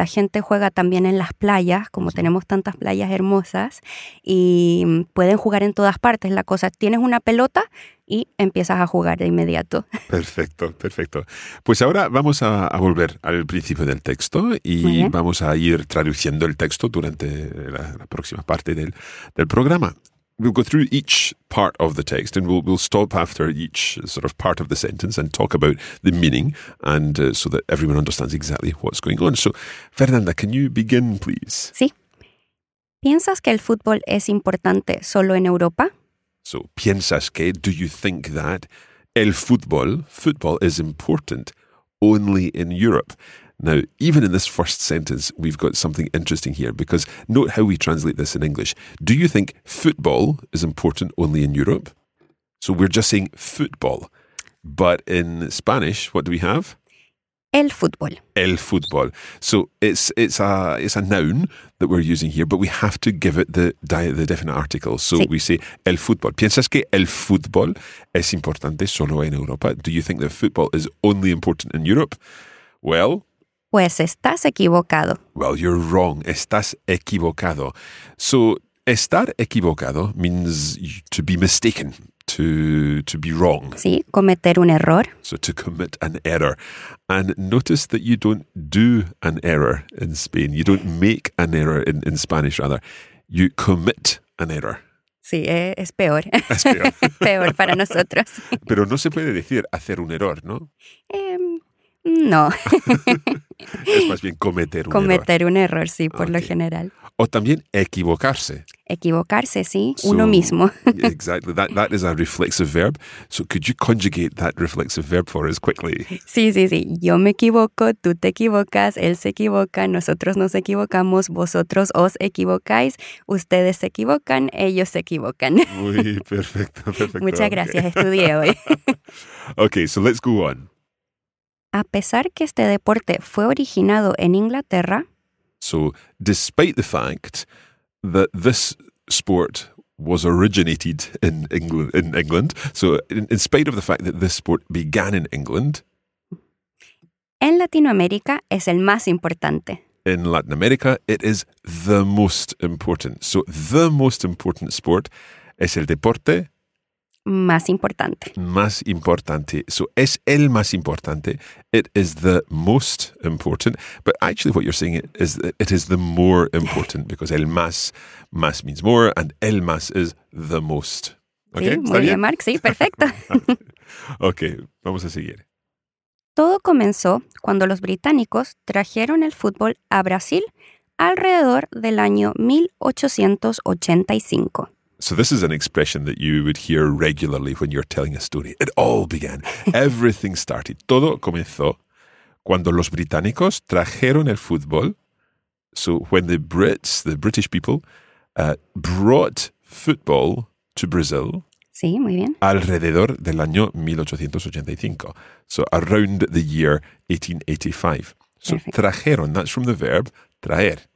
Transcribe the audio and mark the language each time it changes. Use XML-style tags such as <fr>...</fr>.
<es>La gente juega también en las playas, como tenemos tantas playas hermosas, y pueden jugar en todas partes. La cosa, tienes una pelota y empiezas a jugar de inmediato. Perfecto, perfecto. Pues ahora vamos a volver al principio del texto y vamos a ir traduciendo el texto durante la próxima parte del programa.</es> <en>We'll go through each part of the text and we'll stop after each sort of part of the sentence and talk about the meaning and so that everyone understands exactly what's going on. So, Fernanda, can you begin, please?</en> <es>Sí. ¿Piensas que el fútbol es importante solo en Europa?</es> <en>So,</en> <es>¿piensas que,</es> <en>do you think that el fútbol is important only in Europe? Now, even in this first sentence, we've got something interesting here, because note how we translate this in English. Do you think football is important only in Europe? So we're just saying football. But in Spanish, what do we have?</en> <es>El fútbol. El fútbol.</es> <en>So it's a noun that we're using here, but we have to give it the definite article. So sí. We say el fútbol.</en> <es>¿Piensas que el fútbol es importante solo en Europa?</es> <en>Do you think that football is only important in Europe? Well,</en> <es>pues estás equivocado.</es> <en>Well, you're wrong.</en> <es>Estás equivocado.</es> <en>So</en> <es>estar equivocado</es> <en>means to be mistaken. To be wrong.</en> <es>Sí, cometer un error.</es> <en>So to commit an error. And notice that you don't do an error in Spain. You don't make an error in Spanish, rather. You commit an error.</en> <es>Sí, es peor. Es peor. Peor para nosotros. Pero no se puede decir hacer un error, ¿no? No. Es más bien cometer un error. Cometer un error, sí, por okay. lo general. O también equivocarse. Equivocarse, sí, uno mismo.</es> <en>Exactly, that is a reflexive verb. So could you conjugate that reflexive verb for us quickly?</en> <es>Sí. Yo me equivoco, tú te equivocas, él se equivoca, nosotros nos equivocamos, vosotros os equivocáis, ustedes se equivocan, ellos se equivocan. Muy perfecto. Muchas gracias, estudié hoy.</es> <en>Okay, so let's go on.</en> <es>A pesar que este deporte fue originado en Inglaterra.</es> <en>So, despite the fact that this sport was originated in England, so in spite of the fact that this sport began in England.</en> <es>En Latinoamérica es el más importante.</es> <en>In Latin America, it is the most important. So, the most important sport es el deporte.</en> <es>Más importante. Más importante. So, es el más importante.</es> <en>It is the most important. But actually what you're saying is that it is the more important because el más, más means more and el más is the most.</en> <es>Okay? Sí, muy bien, Mark. Sí, perfecto. Okay, vamos a seguir. Todo comenzó cuando los británicos trajeron el fútbol a Brasil alrededor del año 1885.</es> <en>So this is an expression that you would hear regularly when you're telling a story. It all began. Everything started.</en> <es>Todo comenzó cuando los británicos trajeron el fútbol.</es> <en>So when the British people brought football to Brazil.</en> <es>Sí, muy bien. Alrededor del año 1885.</es> <en>So around the year 1885. So perfect. Trajeron, that's from the verb traer.</en>